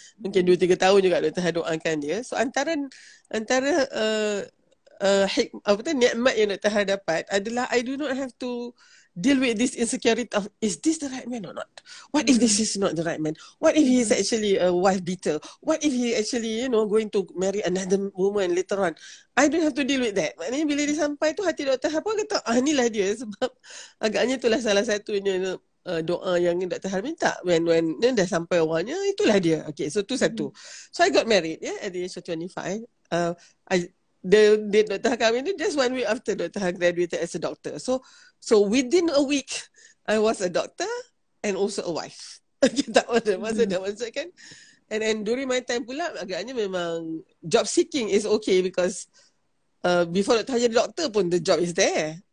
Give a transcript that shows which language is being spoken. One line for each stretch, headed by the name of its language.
Malay: Mungkin 2-3 tahun juga Dr. Har doakan dia. So ni'mat yang Dr. Har dapat adalah
English: I do not have to deal with this insecurity of, is this the right man or not? What if this is not the right man? What if he's actually a wife beater? What if he actually, you know, going to marry another woman later on? I don't have to deal with that.
Malay: Maknanya bila dia sampai tu, hati Dr. Har pun kata, inilah dia. Sebab agaknya itulah salah satunya doa yang Dr. Har minta. When dia dah sampai awalnya, itulah dia. Okay, so tu satu.
English: So I got married, yeah, at the age of 25. The Dr. Har
Malay: kahwin tu
English: just 1 week after Dr. Har graduated as a doctor. So within a week, I was a doctor and also a wife.
Malay: Tak ada masa dah masuk kan?
English: And during my time
Malay: pula, agaknya memang
English: job seeking is okay because before Dr. Har jadi doctor pun the job is there.